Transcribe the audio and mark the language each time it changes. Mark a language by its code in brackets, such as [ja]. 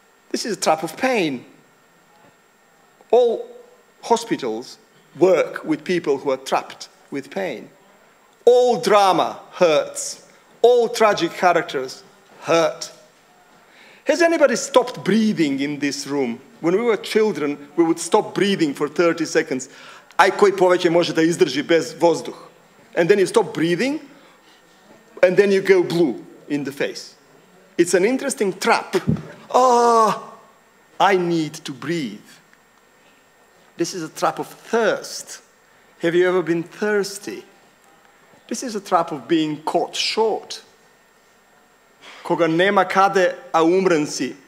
[en] This is a trap of pain. All hospitals work with people who are trapped with pain. All drama hurts. All tragic characters hurt. Has anybody stopped breathing in this room? When we were children, we would stop breathing for 30 seconds. [bg] Ай, кой повече може да издържи без въздух? [en] And then you stop breathing, and then you go blue in the face. It's an interesting trap. Ah, I need to breathe. This is a trap of thirst. Have you ever been thirsty? This is a trap of being caught short. [bg] Кога нема каде, а умрен си.